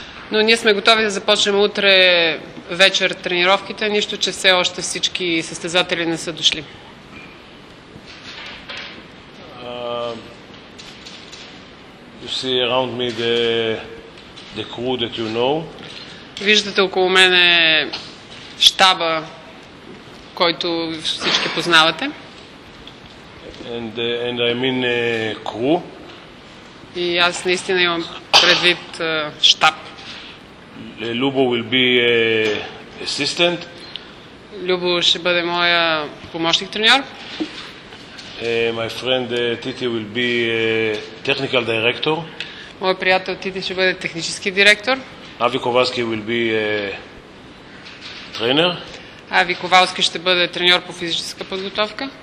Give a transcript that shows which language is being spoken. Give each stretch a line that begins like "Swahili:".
Bulgarian: Но ние сме готови да започнем утре вечер тренировките, нищо, че все още всички състезатели не са дошли.
English: You see around me the crew that you know.
Bulgarian: Виждате около мене щаба, който всички познавате.
English: And I mean crew.
Bulgarian: И аз наистина имам предвид щаб.
English: Любо will be assistant.
Bulgarian: Любо ще бъде моя помощник треньор.
English: My friend Titi will be technical director.
Bulgarian: Мой приятел Тити ще бъде технически директор.
English: Ави Ковалски will be тренер.
Bulgarian: Ави Ковалски ще бъде треньор по физическа подготовка.